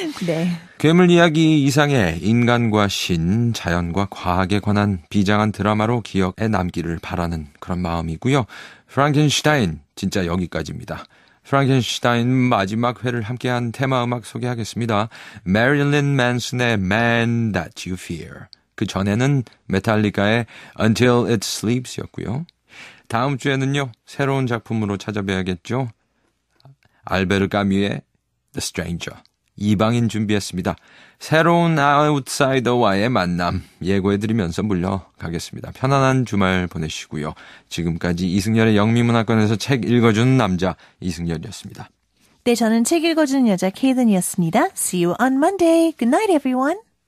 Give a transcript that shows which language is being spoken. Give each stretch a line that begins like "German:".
Korean: 네. 괴물 이야기 이상의 인간과 신, 자연과 과학에 관한 비장한 드라마로 기억에 남기를 바라는 그런 마음이고요. 프랑켄슈타인, 진짜 여기까지입니다. 프랑켄슈타인 마지막 회를 함께한 테마음악 소개하겠습니다. 메릴린 맨슨의 Man That You Fear. 그 전에는 메탈리카의 Until It Sleeps였고요. 다음 주에는요, 새로운 작품으로 찾아뵈야겠죠. 알베르 까뮈의 The Stranger. 이방인 준비했습니다. 새로운 아웃사이더와의 만남 예고해드리면서 물러가겠습니다. 편안한 주말 보내시고요. 지금까지 이승열의 영미문학관에서 책 읽어주는 남자 이승열이었습니다. 네, 저는 책 읽어주는 여자 케이든이었습니다.
English: See you on Monday. Good night, everyone.